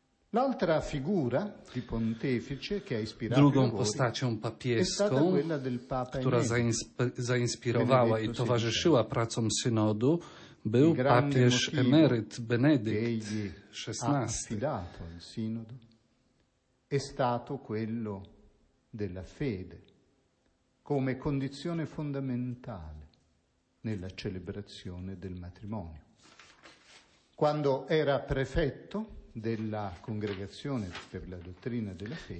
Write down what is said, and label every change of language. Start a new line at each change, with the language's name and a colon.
Italian: L'altra figura di pontefice che ha ispirato
Polish: drugą postacią papieską, która zainspirowała i towarzyszyła pracom synodu, był papież emeryt Benedykt XVI.
Italian: Il sinodo è stato quello della fede come condizione fondamentale nella celebrazione del matrimonio. Quando era prefetto della congregazione per la dottrina della fede.